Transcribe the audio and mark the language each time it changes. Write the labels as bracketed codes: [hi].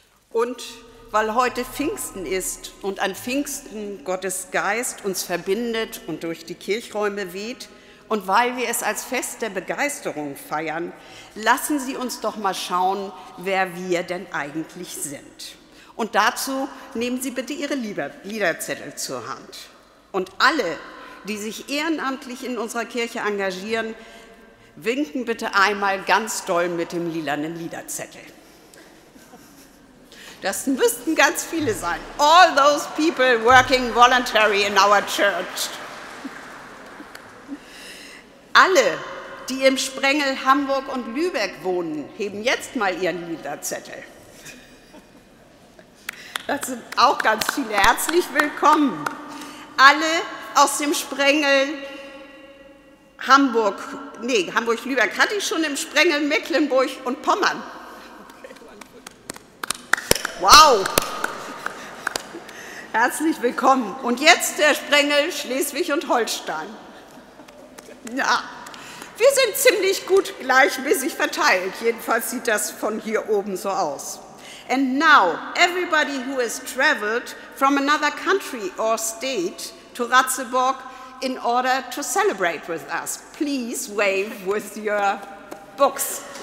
[de] Und weil heute Pfingsten ist und an Pfingsten Gottes Geist uns verbindet und durch die Kirchräume weht, und weil wir es als Fest der Begeisterung feiern, lassen Sie uns doch mal schauen, wer wir denn eigentlich sind. Und dazu nehmen Sie bitte Ihre Liederzettel zur Hand. Und alle, die sich ehrenamtlich in unserer Kirche engagieren, winken bitte einmal ganz doll mit dem lilanen Liederzettel. Das müssten ganz viele sein. [en] All those people working voluntary in our church. [de] Alle, die im Sprengel Hamburg und Lübeck wohnen, heben jetzt mal ihren Liederzettel. Das sind auch ganz viele. Herzlich willkommen. Alle aus dem Sprengel Hamburg-Lübeck hatte ich schon, im Sprengel Mecklenburg und Pommern. Wow! Herzlich willkommen. Und jetzt der Sprengel Schleswig und Holstein. Ja, wir sind ziemlich gut gleichmäßig verteilt. Jedenfalls sieht das von hier oben so aus. [en] And now, everybody who has traveled from another country or state to Ratzeburg in order to celebrate with us, please wave with your books.